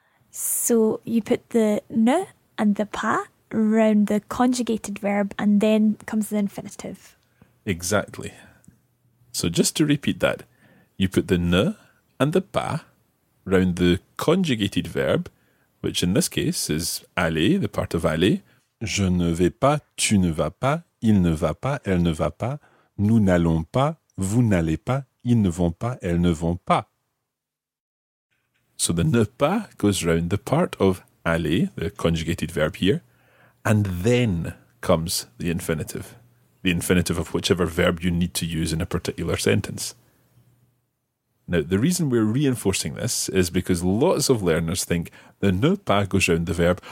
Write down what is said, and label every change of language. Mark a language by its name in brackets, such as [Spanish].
[English] So you put the ne and the pas around the conjugated verb and then comes the infinitive. Exactly. So just to repeat that, you put the ne and the pas around the conjugated verb, which in this case is aller, the part of aller. [French] Je ne vais pas, tu ne vas pas, il ne va pas, elle ne va pas, nous n'allons pas, vous n'allez pas, ils ne vont pas, elles ne vont pas. [English] So the ne pas goes round the part of aller, the conjugated verb here, and then comes the infinitive of whichever verb you need to use in a particular sentence. Now, the reason we're reinforcing this is because lots of learners think the ne pas goes round the verb.